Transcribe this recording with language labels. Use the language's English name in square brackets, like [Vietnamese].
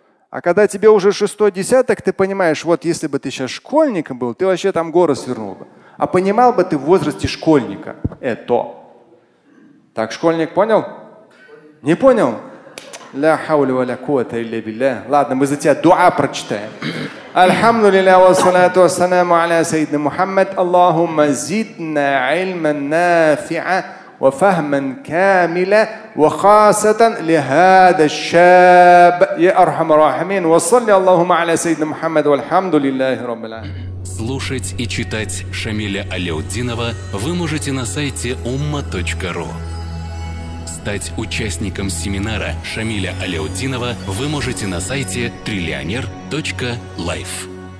[Russian] А когда тебе уже шестой десяток, ты понимаешь, вот если бы ты сейчас школьником был, ты вообще там горы свернул бы. А понимал бы ты в возрасте школьника это. Так, школьник, понял? Не понял? [Arabic] Ля хауля валя куата илля билля. [Russian] Ладно, мы за тебя дуа прочитаем. [Arabic] الحمد لله والصلاة والسلام على سيدنا محمد اللهم زدنا علما نافعا وفهما كاملا وخاصة لهذا الشاب يا أرحم الراحمين وصلي اللهم على سيدنا محمد والحمد لله رب العالمين. [Russian] Слушать и читать Шамиля Аляутдинова вы можете на сайте umma.ru. Стать участником семинара Шамиля Аляутдинова вы можете на сайте trillioner.life.